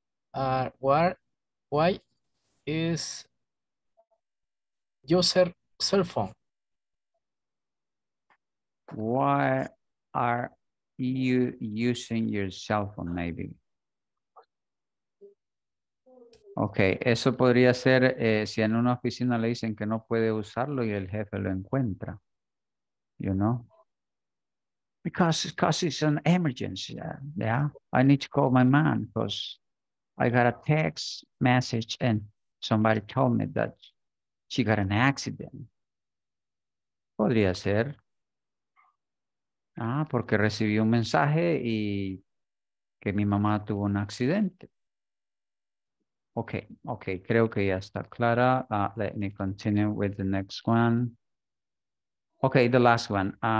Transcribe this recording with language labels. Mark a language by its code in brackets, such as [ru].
[en] Why is user cell phone? Why are you using your cell phone, maybe? [es] Okay, eso podría ser si en una oficina le dicen que no puede usarlo y el jefe lo encuentra. [en] You know? Because it's an emergency. Yeah. I need to call my man because I got a text message and somebody told me that she got an accident. [es] Podría ser. Ah, porque recibí un mensaje y que mi mamá tuvo un accidente. [en] Okay, [es] creo que ya está clara. [en] Let me continue with the next one. Okay, the last one.